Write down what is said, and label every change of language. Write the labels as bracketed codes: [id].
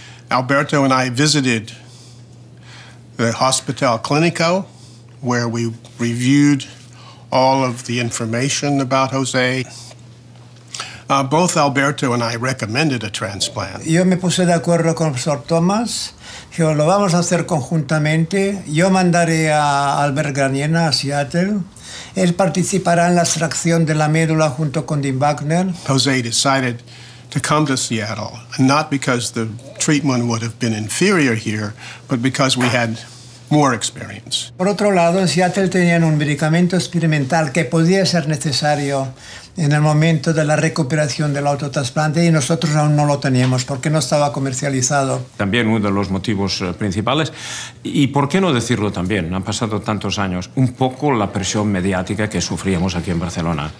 [en] Alberto and I visited the Hospital Clinico, where we reviewed all of the information about Jose. Both Alberto and I recommended a transplant. [es] Yo me puse de acuerdo con el profesor Thomas. Dijo, lo vamos a hacer conjuntamente. Yo mandaré a Albert Graniena a Seattle. Él participará en la extracción de la médula junto con Dean Buckner. [en] Jose decided to come to Seattle, not because the treatment would have been inferior here, but because we had more experience. [es] Por otro lado, en Seattle tenían un medicamento experimental que podía ser necesario en el momento de la recuperación del autotrasplante, y nosotros aún no lo teníamos porque no estaba comercializado. También uno de los motivos principales, y por qué no decirlo también, han pasado tantos años, un poco la presión mediática que sufríamos aquí en Barcelona.